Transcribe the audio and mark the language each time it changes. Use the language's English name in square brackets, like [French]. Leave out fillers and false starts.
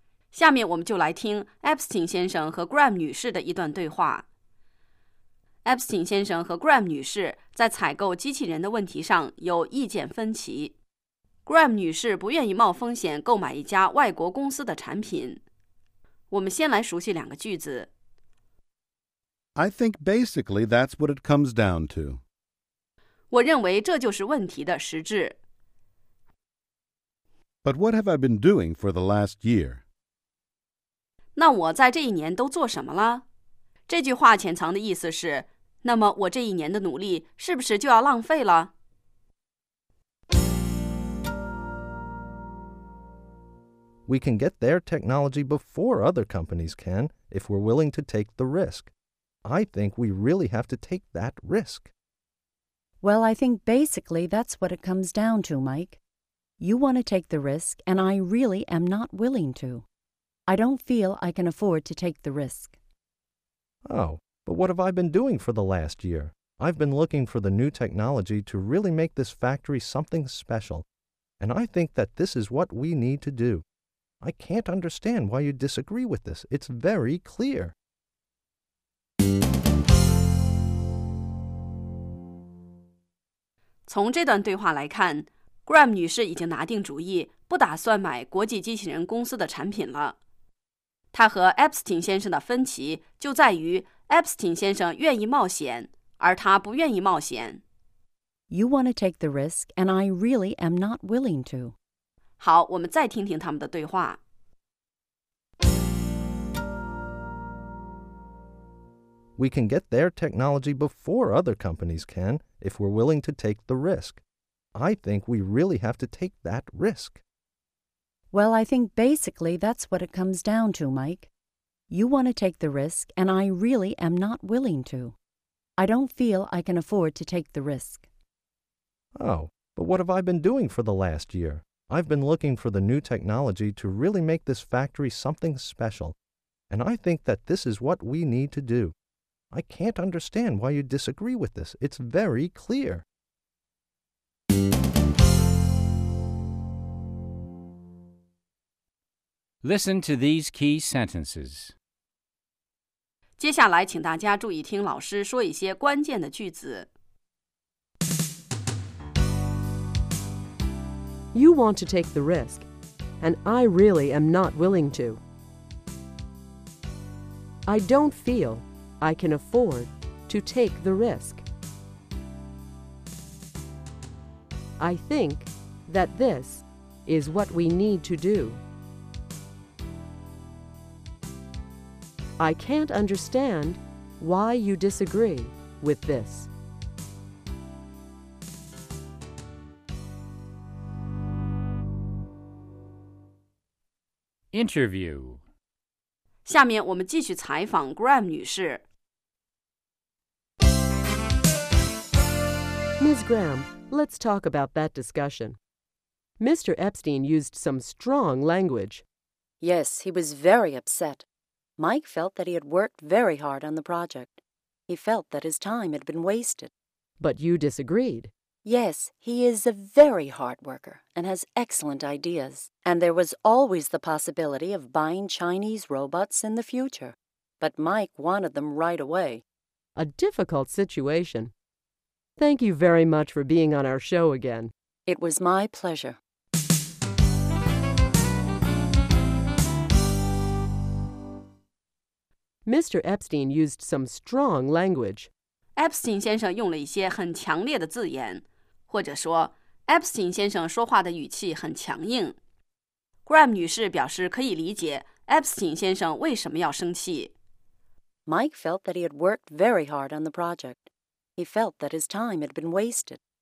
[Chinese] 下面我们就来听 Epstein 先生和 Graham 女士的一段对话。 Epstein 先生和 Graham 女士在采购机器人的问题上有意见分歧。 Graham 女士不愿意冒风险购买一家外国公司的产品。我们先来熟悉两个句子。 [English] I think basically that's what it comes down to. [Chinese] 我认为这就是问题的实质。 [English] But what have I been doing for the last year? [Chinese] 那我在这一年都做什么了？这句话潜藏的意思是，那么我这一年的努力是不是就要浪费了？ [English] We can get their technology before other companies can if we're willing to take the risk. I think we really have to take that risk. Well, I think basically that's what it comes down to, Mike. You want to take the risk, and I really am not willing to. I don't feel I can afford to take the risk. Oh, but what have I been doing for the last year? I've been looking for the new technology to really make this factory something special, and I think that this is what we need to do. I can't understand why you disagree with this. It's very clear. From this conversation, [Chinese] Graham 女士已经拿定主意，不打算买国际机器人公司的产品了。她和 Epstein 先生的分歧就在于 Epstein 先生愿意冒险，而她不愿意冒险。 [English] You want to take the risk, and I really am not willing to. [Chinese] 好，我们再听听他们的对话。 [English] We can get their technology before other companies can if we're willing to take the risk.I think we really have to take that risk. Well, I think basically that's what it comes down to, Mike. You want to take the risk, and I really am not willing to. I don't feel I can afford to take the risk. Oh, but what have I been doing for the last year? I've been looking for the new technology to really make this factory something special, and I think that this is what we need to do. I can't understand why you disagree with this. It's very clear. Listen to these key sentences. [Chinese] 接下来请大家注意听老师说一些关键的句子。 [English] You want to take the risk, and I really am not willing to. I don't feel I can afford to take the risk. I think that this is what we need to do. I can't understand why you disagree with this. Interview. [Chinese] 下面我们继续采访 Graham 女士。 [English] Ms. Graham, let's talk about that discussion. Mr. Epstein used some strong language. Yes, he was very upset. Mike felt that he had worked very hard on the project. He felt that his time had been wasted. But you disagreed. Yes, he is a very hard worker and has excellent ideas. And there was always the possibility of buying Chinese robots in the future. But Mike wanted them right away. A difficult situation. Thank you very much for being on our show again. It was my pleasure. Mr. Epstein used some strong language. [Chinese] Epstein 先生用了一些很强烈的字眼。或者说 ,Epstein 先生说话的语气很强硬。 Graham 女士表示可以理解 Epstein 先生为什么要生气。 [English] Mike felt that he had worked very hard on the project. He felt that his time had been wasted.